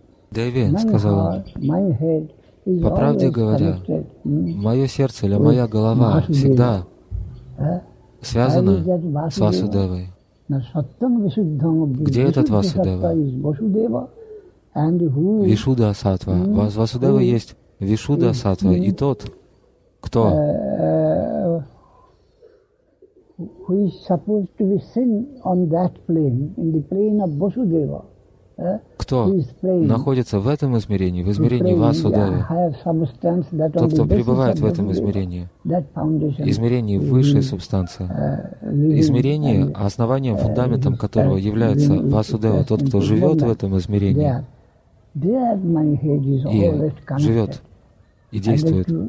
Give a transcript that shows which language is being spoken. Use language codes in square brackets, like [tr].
[ru] Деви, сказал он, по правде говоря, мое сердце или моя голова всегда связана с Васудевой. Где этот Васудева? Вишуда Сатва. Васудева есть Вишуда Сатва и тот, кто... [en] Who is supposed to be seen on that plane, in the plane of Vasudeva? [ru] Кто находится в этом измерении, в измерении Васудевы? Тот, кто пребывает в этом измерении, измерении высшей субстанции, измерении, основанием, фундаментом которого является Васудева, тот, кто живет в этом измерении и живет и действует.